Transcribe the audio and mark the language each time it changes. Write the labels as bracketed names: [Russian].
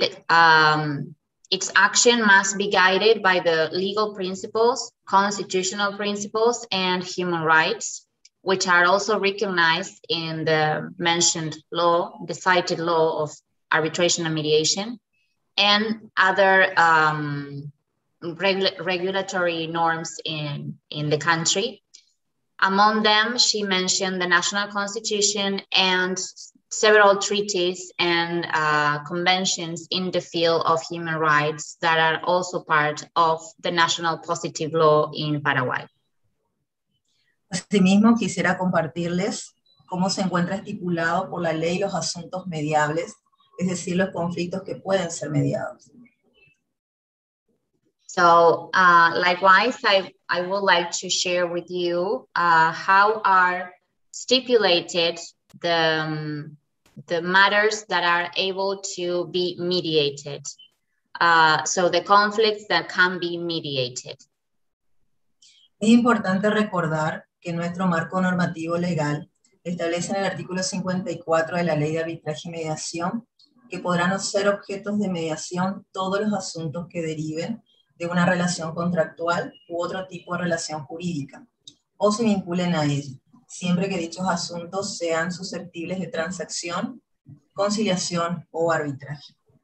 [English] Its action must be guided by the legal principles, constitutional principles, and human rights, which are also recognized in the mentioned law, the cited law of arbitration and mediation, and other regulatory norms in the country. Among them, she mentioned the national constitution and several treaties and conventions in the field of human rights that are also part of the national positive law in Paraguay. [Spanish] Asimismo, quisiera compartirles cómo se encuentra estipulado por la ley los asuntos mediables, es decir, los conflictos que pueden ser mediados. [English] So, likewise, I would like to share with you how are stipulated the matters that are able to be mediated. So the conflicts that can be mediated. [Spanish] Es importante recordar que nuestro marco normativo legal establece en el artículo 54 de la Ley de Arbitraje y Mediación que podrán ser objetos de mediación todos los asuntos que deriven de una relación contractual u otro tipo de relación jurídica, o se vinculen a ella, siempre que dichos asuntos sean susceptibles de transacción, conciliación o arbitraje.